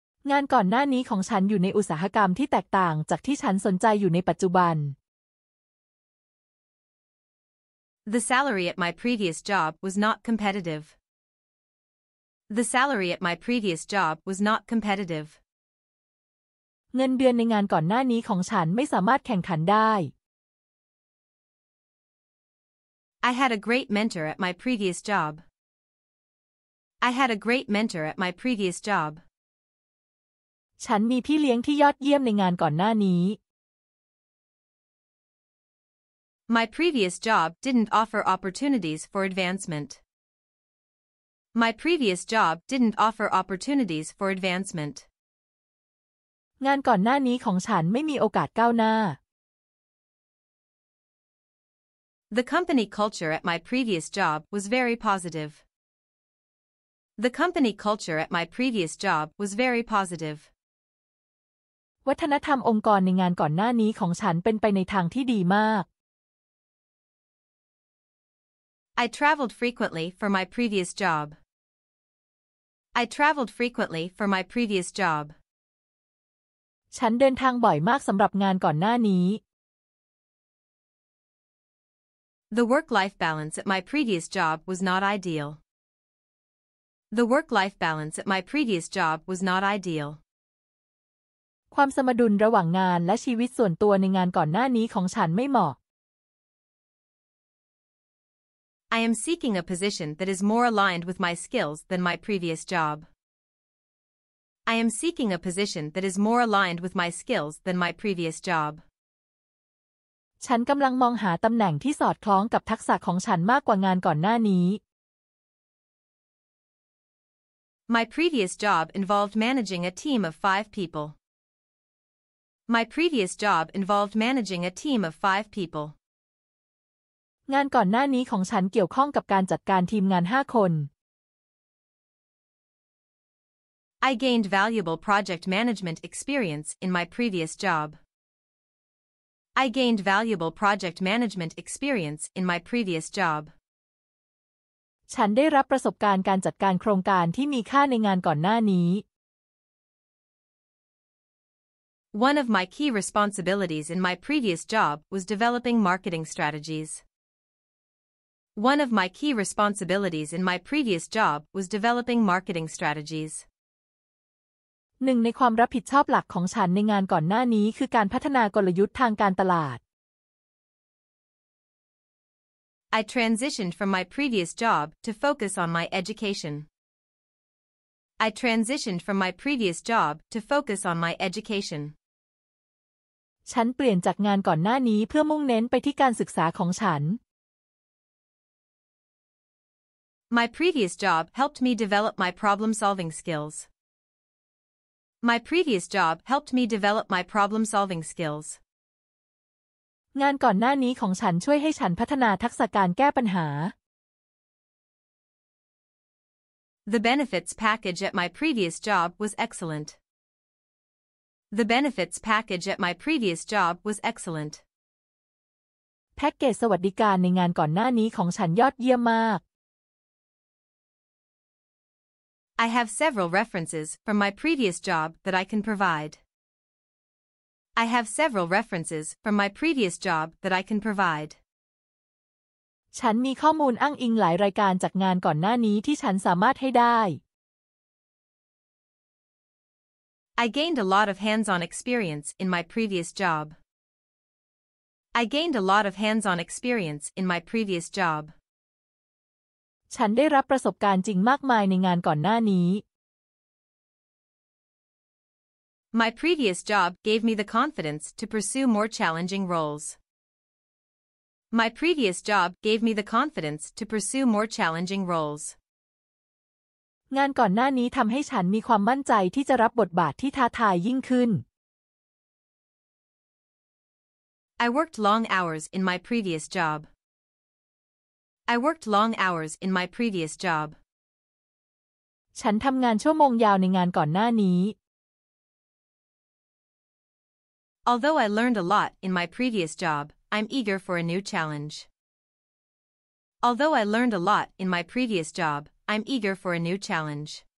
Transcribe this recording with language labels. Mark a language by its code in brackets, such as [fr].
[th] งานก่อนหน้านี้ของฉันอยู่ในอุตสาหกรรมที่แตกต่างจากที่ฉันสนใจอยู่ในปัจจุบัน [en] The salary at my previous job was not competitive. The salary at my previous job was not competitive. [th] เงินเดือนในงานก่อนหน้านี้ของฉันไม่สามารถแข่งขันได้ [en] I had a great mentor at my previous job. I had a great mentor at my previous job. [th] ฉันมีพี่เลี้ยงที่ยอดเยี่ยมในงานก่อนหน้านี้ [en] My previous job didn't offer opportunities for advancement. My previous job didn't offer opportunities for advancement. [th] งานก่อนหน้านี้ของฉันไม่มีโอกาสก้าวหน้า [en] The company culture at my previous job was very positive. The company culture at my previous job was very positive. [th] วัฒนธรรมองค์กรในงานก่อนหน้านี้ของฉันเป็นไปในทางที่ดีมาก [en] I traveled frequently for my previous job. I traveled frequently for my previous job. [th] ฉันเดินทางบ่อยมากสำหรับงานก่อนหน้านี้ [en] The work-life balance at my previous job was not ideal. The work-life balance at my previous job was not ideal. [th] ความสมดุลระหว่างงานและชีวิตส่วนตัวในงานก่อนหน้านี้ของฉันไม่เหมาะ [en] I am seeking a position that is more aligned with my skills than my previous job. I am seeking a position that is more aligned with my skills than my previous job. [th] ฉันกำลังมองหาตำแหน่งที่สอดคล้องกับทักษะของฉันมากกว่างานก่อนหน้านี้ [en] My previous job involved managing a team of 5 people. My previous job involved managing a team of 5 people. [th] งานก่อนหน้านี้ของฉันเกี่ยวข้องกับการจัดการทีมงาน5คน [en] I gained valuable project management experience in my previous job. I gained valuable project management experience in my previous job. [th] ฉันได้รับประสบการณ์การจัดการโครงการที่มีค่าในงานก่อนหน้านี้ [en] One of my key responsibilities in my previous job was developing marketing strategies. One of my key responsibilities in my previous job was developing marketing strategies. [th] หนึ่งในความรับผิดชอบหลักของฉันในงานก่อนหน้านี้คือการพัฒนากลยุทธ์ทางการตลาด [en] I transitioned from my previous job to focus on my education. I transitioned from my previous job to focus on my education. [th] ฉันเปลี่ยนจากงานก่อนหน้านี้เพื่อมุ่งเน้นไปที่การศึกษาของฉัน [en] My previous job helped me develop my problem-solving skills. My previous job helped me develop my problem-solving skills. [th] งานก่อนหน้านี้ของฉันช่วยให้ฉันพัฒนาทักษะการแก้ปัญหา [en] The benefits package at my previous job was excellent. The benefits package at my previous job was excellent. [th] แพ็กเกจสวัสดิการในงานก่อนหน้านี้ของฉันยอดเยี่ยมมาก [en] I have several references from my previous job that I can provide. I have several references from my previous job that I can provide. [th] ฉันมีข้อมูลอ้างอิงหลายรายการจากงานก่อนหน้านี้ที่ฉันสามารถให้ได้ [en] I gained a lot of hands-on experience in my previous job. I gained a lot of hands-on experience in my previous job. [th] ฉันได้รับประสบการณ์จริงมากมายในงานก่อนหน้านี้ [en] My previous job gave me the confidence to pursue more challenging roles. My previous job gave me the confidence to pursue more challenging roles. [th] งานก่อนหน้านี้ทำให้ฉันมีความมั่นใจที่จะรับบทบาทที่ท้าทายยิ่งขึ้น [en] I worked long hours in my previous job. I worked long hours in my previous job. [th] ฉันทำงานชั่วโมงยาวในงานก่อนหน้านี้ [en] Although I learned a lot in my previous job, I'm eager for a new challenge. Although I learned a lot in my previous job, I'm eager for a new challenge.